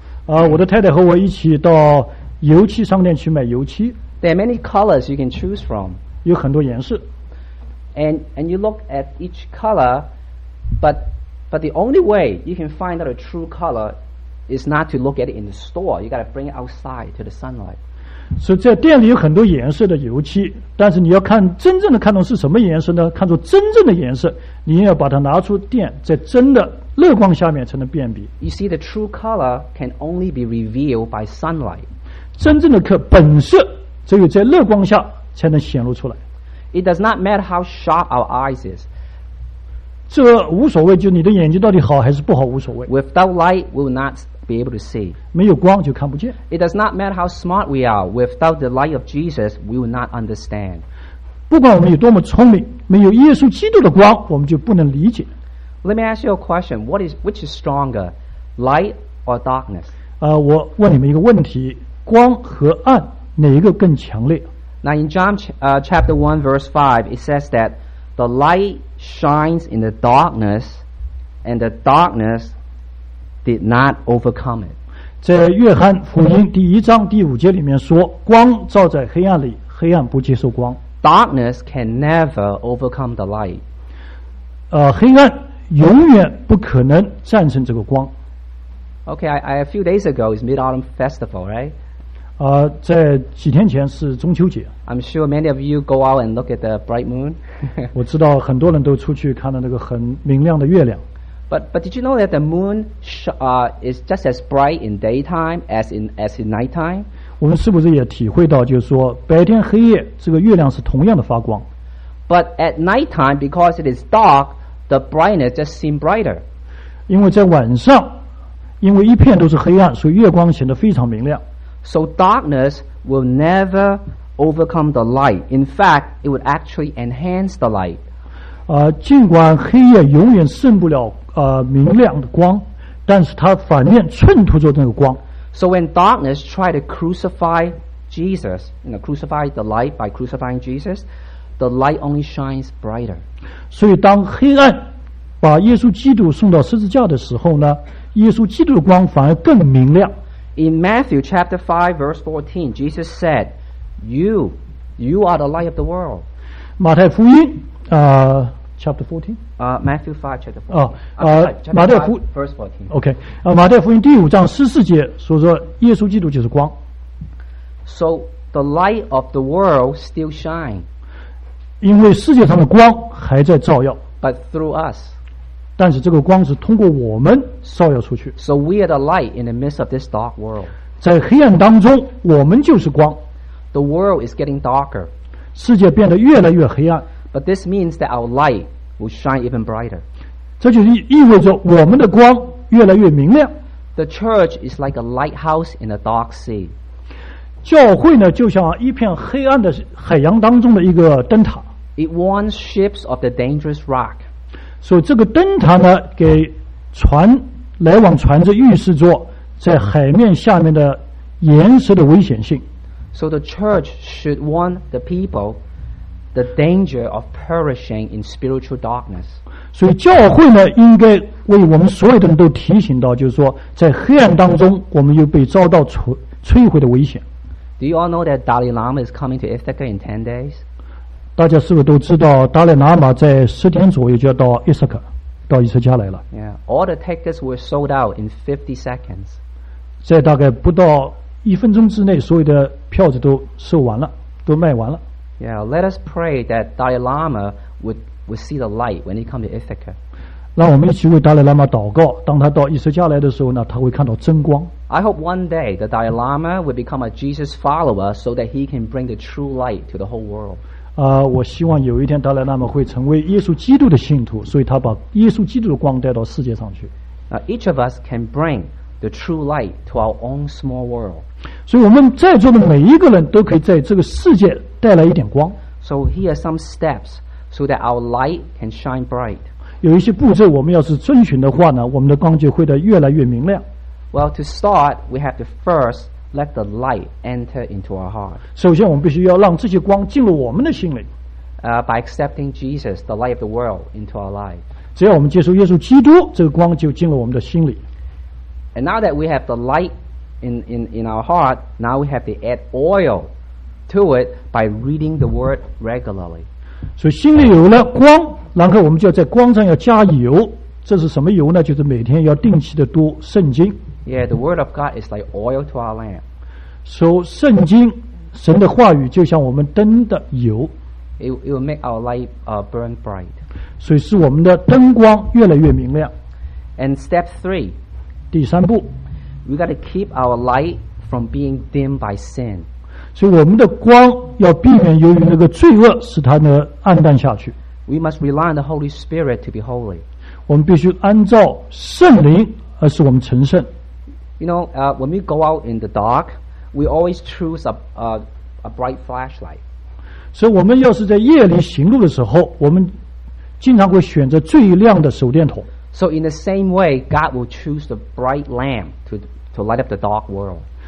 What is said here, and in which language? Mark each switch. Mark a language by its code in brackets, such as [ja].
[zh] 我的太太和我一起到油漆商店去买油漆。 [en] There are many colors you can choose from. [zh] 有很多颜色。 [en] And you look at each color, but the only way you can find out a true color is not to look at it in the store. You got to bring it outside to the sunlight. [zh] 所以在店里有很多颜色的油漆，但是你要看真正的看到是什么颜色呢？看出真正的颜色。你要把它拿出电，在真的热光下面才能辨别。 [en] You see, the true color can only be revealed by sunlight. [zh] 真正的可本色只有在热光下才能显露出来。 [en] It does not matter how sharp our eyes is. [zh] 这无所谓，就你的眼睛到底好还是不好无所谓。 [en] Without light, we will not be able to see. [zh] 没有光就看不见。 [en] It does not matter how smart we are. Without the light of Jesus, we will not understand. [zh] 不管我们有多么聪明。没有耶稣基督的光，我们就不能理解。 [en] Let me ask you a question. Which is stronger, light or darkness? [zh] 我问你们一个问题：光和暗哪一个更强烈 [en] ？Now in John chapter 1 verse 5, it says that the light shines in the darkness, and the darkness did not overcome it. [zh] 在约翰福音第一章第五节里面说：光照在黑暗里，黑暗不接受光。 [en] Darkness can never overcome the light. [zh] 黑暗永远不可能战胜这个光。 [en] Okay, a few days ago is Mid Autumn Festival, right? [zh] 在几天前是中秋节。 [en] I'm sure many of you go out and look at the bright moon. [zh] 我知道很多人都出去看到那个很明亮的月亮。 [en] But did you know that the moon is just as bright in daytime as in nighttime? [zh] 我们是不是也体会到，就是说白天黑夜这个月亮是同样的发光 [en] ？But at night time, because it is dark, the brightness just seems brighter. [zh] 因为在晚上，因为一片都是黑暗，所以月光显得非常明亮。 [en] So darkness will never overcome the light. In fact, it would actually enhance the light. [zh] 尽管黑夜永远胜不了明亮的光，但是它反面衬托着那个光。 [en] So when darkness tried to crucify Jesus, you know, crucify the light by crucifying Jesus, the light only shines brighter. [zh] 所以当黑暗把耶稣基督送到十字架的时候呢，耶稣基督的光反而更明亮。 [en] In Matthew chapter 5 verse 14, Jesus said, you are the light of the world. [zh] 马太福音 [en] chapter 14? Matthew 5, chapter 14. Chapter 5, verse 14. Okay. [zh] 马太福音第五章十四节说说耶稣基督就是光。 [en] So the light of the world still shine. [zh] 因为世界上的光还在照耀。 [en] But through us. [zh] 但是这个光是通过我们照耀出去。 [en] So we are the light in the midst of this dark world. [zh] 在黑暗当中我们就是光。 [en] The world is getting darker. [zh] 世界变得越来越黑暗。 [en] But this means that our light will shine even brighter. [zh] 这就意味着我们的光越来越明亮。 [en] The church is like a lighthouse in a dark sea. [zh] 教会呢，就像一片黑暗的海洋当中的一个灯塔。 [en] It warns ships of the dangerous rock. [zh] 所以这个灯塔呢，给船来往船只预示着在海面下面的岩石的危险性。 [en] So the church should warn the people. The danger of perishing in spiritual darkness. [zh] 所以教会呢，应该为我们所有的人都提醒到，就是说，在黑暗当中，我们又被遭到摧毁的危险。 [en] Do you all know that Dalai Lama is coming to Ithaca in 10 days? [zh] 大家是不是都知道，达赖喇嘛在十天左右就要到伊斯卡，到伊斯加来了 [en] ？Yeah, all the tickets were sold out in 50 seconds. [zh] 在大概不到一分钟之内，所有的票子都售完了，都卖完了。 [en] Yeah, let us pray that Dalai Lama would see the light when he comes to Ithaca. [zh] 让我们一起为达赖喇嘛祷告。当他到以色列来的时候呢，他会看到真光。 [en] I hope one day the Dalai Lama will become a Jesus follower so that he can bring the true light to the whole world. [zh] 我希望有一天达赖喇嘛会成为耶稣基督的信徒，所以他把耶稣基督的光带到世界上去。 [en] Each of us can bring the true light to our own small world. [zh] 所以我们在座的每一个人都可以在这个世界带来一点光。 [en] So here are some steps so that our light can shine bright. [zh] 有一些步骤我们要是遵循的话呢，我们的光就会得越来越明亮。 [en] Well, to start, we have to first let the light enter into our heart. [zh] 首先我们必须要让这些光进入我们的心里。 [en] By accepting Jesus, the light of the world, into our life. [zh] 只要我们接受耶稣基督，这个光就进了我们的心里。 [en] And now that we have the light in our heart, now we have to add oil to it by reading the word regularly. [zh] 所以心里有了光，然后我们就要在光上要加油。这是什么油呢？就是每天要定期的读圣经。 [en] Yeah, the word of God is like oil to our lamp. [zh] So, 圣经，神的话语就像我们灯的油。 [en] It will make our light burn bright. [zh] 所以使我们的灯光越来越明亮。 [en] And step three, [zh] 第三步， [en] we got to keep our light from being dimmed by sin. [zh] 所以我们的光要避免由于那个罪恶使它呢暗淡下去。 [en] We must rely on the Holy Spirit to be holy. [zh] 我们必须按照圣灵而使我们成圣。 [en] You know, when we go out in the dark, we always choose a bright flashlight. [zh] 所以我们要是在夜里行路的时候，我们经常会选择最亮的手电筒。 [en] So in the same way, God will choose the bright lamp to light up the dark world.